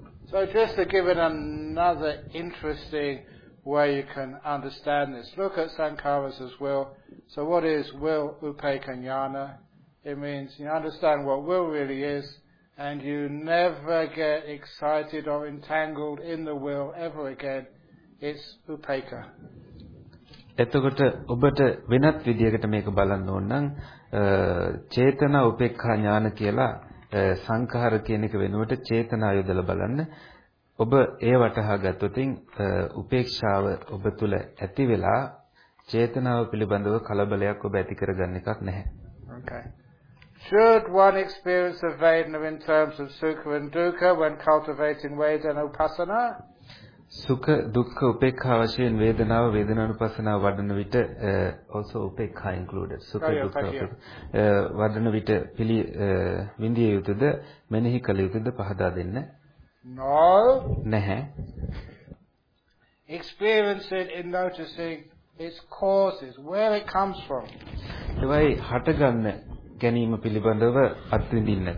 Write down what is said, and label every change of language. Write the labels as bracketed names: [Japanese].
[English] So just to give it another interesting way you can understand this, look at sankharas as will. So what is will, upeka, jnana? It means you understand what will really is, and you never get excited or entangled in the will ever again. It's upeka. [Sinhala] එතකොට ඔබට වෙනත් විදිහකට මේක බලන්න ඕන නම් චේතනා උපේක්ෂා ඥාන කියලා සංඛාර කියන එක වෙනුවට චේතනා යොදලා බලන්න. ඔබ ඒ වටහා ගත්තොතින් උපේක්ෂාව ඔබ තුල ඇති වෙලා චේතනාව පිළිබඳව කලබලයක් ඔබ ඇති කරගන්න එකක් නැහැ. [English] Okay. Should one experience of Vedana in terms of sukha and dukkha when cultivating Vedana upasana? [Sinhala] සුඛ දුක්ඛ උපේක්ඛා වශයෙන් වේදනාව වේදනානුපස්සනාව වඩන විට [English] also upekkha included [Sinhala] සුඛ දුක්ඛ වඩන විට පිළි විඳිය යුතුද මෙනෙහි කළ යුතුද පහදා දෙන්න. [English] No. [Sinhala] නැහැ. [English] Experience it in noticing its causes, where it comes from. [Sinhala] ඒවයි හටගන්න ගැනීම පිළිබඳව අත්විඳින්න.